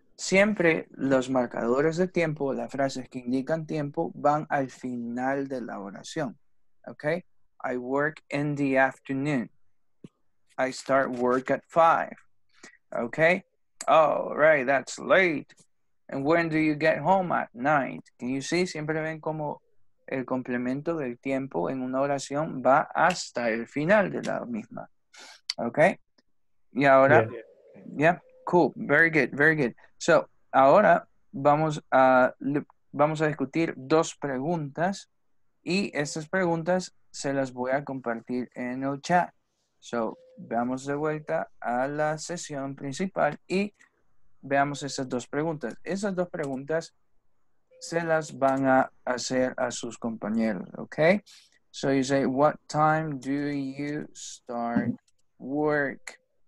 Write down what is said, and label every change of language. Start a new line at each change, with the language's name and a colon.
Spanish: Siempre los marcadores de tiempo, las frases que indican tiempo, van al final de la oración.
English: Okay? I work in the afternoon. I start work at 5. Okay? All right, that's late. And when do you get home at night? Can you see?
Spanish: Siempre ven como el complemento del tiempo en una oración va hasta el final de la misma. Okay? Y ahora,
English: yeah, cool. Very good, very good.
Spanish: So, ahora vamos a discutir dos preguntas y estas preguntas se las voy a compartir en el chat. So, veamos de vuelta a la sesión principal y veamos esas dos preguntas. Esas dos preguntas se las van a hacer a sus compañeros, okay?
English: So you say, what time do you start work?